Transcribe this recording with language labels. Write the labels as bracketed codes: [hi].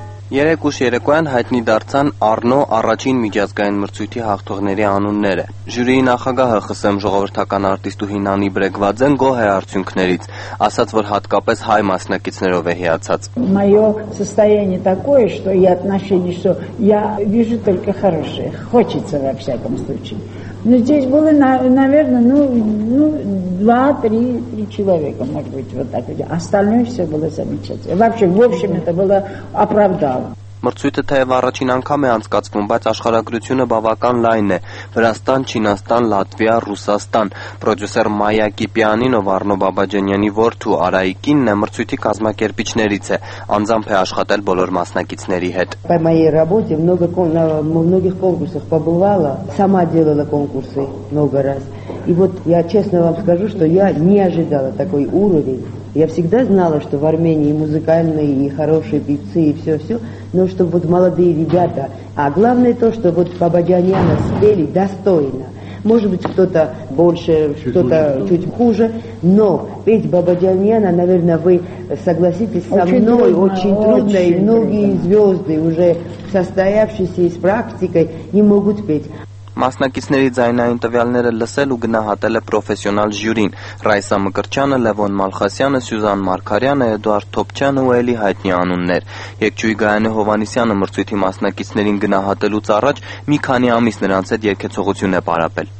[hy] Երեկոյան հայտնի դարձան Արնո առաջին միջազգային մրցույթի հաղթողների անունները։ Ժյուրիի նախագահը ԽՍՀՄ ժողովրդական արտիստ Հինանի Բրեգվաձեն գոհ է արդյունքներից, ասաց, որ հատկապես հայ մասնակիցներով է հիացած։ [ru] Моё состояние такое, что я отношение, что я вижу только хорошее. Хочется во всяком случае. Но здесь было, наверное, ну 2-3 человека, может быть, вот так. Остальное все было замечательно. Вообще, в общем, это было оправдало. [hy] Մրցույթը թեև առաջին անգամ է անցկացվում, բայց աշխարհագրությունը բավական լայն է. Վրաստան, Չինաստան, Լատվիա, Ռուսաստան։ Պրոդյուսեր Մայա Կիպյանին ու Վառնո Բաբաջանյանի որդու Արայիկին մրցույթի կազմակերպիչներից է, անձամբ է աշխատել բոլոր մասնակիցների հետ։ [ru] Մայի работе много многих конкурсах побывала, сама делала конкурсы много раз. И вот я честно вам скажу, что я не ожидала такой уровень. Я всегда знала, что в Армении музыкальные и хорошие певцы и всё-всё, но что вот молодые ребята, а главное то, что вот Бабаджаняна спели достойно. Может быть, кто-то больше, кто-то чуть хуже, но петь Бабаджаняна, наверное, вы согласитесь со мной, очень трудно, и многие звёзды уже состоявшиеся из практикой не могут петь. [hy] Մասնակիցների ձայնային տվյալները լսել ու գնահատել է պրոֆեսիոնալ ժյուրին՝ Ռայսա Մկրճյանը, Լևոն Մալխասյանը, Սյուզան Մարկարյանը, Էդուարդ Թոփչյանը ու Էլի հայտնի անուններ։ Եկչույի Գայանե Հովանիսյանը մրցույթի մասնակիցներին գնահատելուց առաջ մի քանի ամիս նրանց հետ երկեցողություն է պարապել։